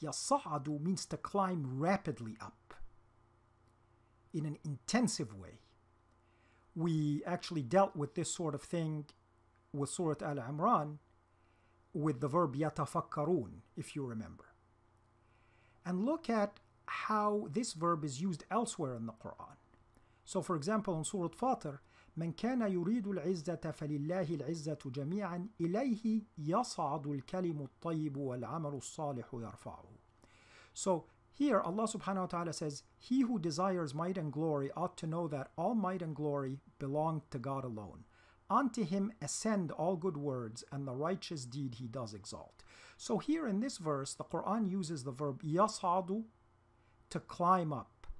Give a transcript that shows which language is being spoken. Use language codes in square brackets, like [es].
[en] يَصَّعَدُ means to climb rapidly up, in an intensive way. We actually dealt with this sort of thing with Surah Al-Imran, with the verb yatafakkarun, if you remember. And look at how this verb is used elsewhere in the Quran. So for example, in Surah Fatir, [ar] من كان يريد العزة فلله العزة جميعا إليه يصعد الكلم الطيب والعمل الصالح يرفعه. [en] So here Allah subhanahu wa ta'ala says, he who desires might and glory ought to know that all might and glory belong to God alone. Unto him ascend all good words, and the righteous deed he does exalt. So here in this verse, the Quran uses the verb yasadu to climb up.